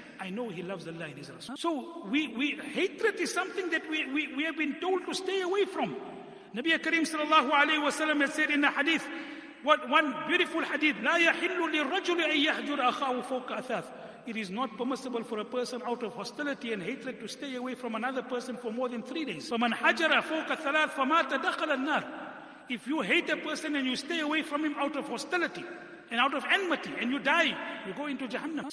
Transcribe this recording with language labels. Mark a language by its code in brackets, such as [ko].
[en] I know he loves Allah and his Rasul. So hatred is something that we have been told to stay away from. Nabi Kareem sallallahu alayhi wa sallam has said in the hadith, what one beautiful hadith, [ar] لا يحل للرجل أن يهجر أخاه فوق أثاث. [en] It is not permissible for a person out of hostility and hatred to stay away from another person for more than 3 days. [ar] فمن حجر فوق ثلاث فمات دخل النار. [en] If you hate a person and you stay away from him out of hostility and out of enmity and you die, you go into Jahannam.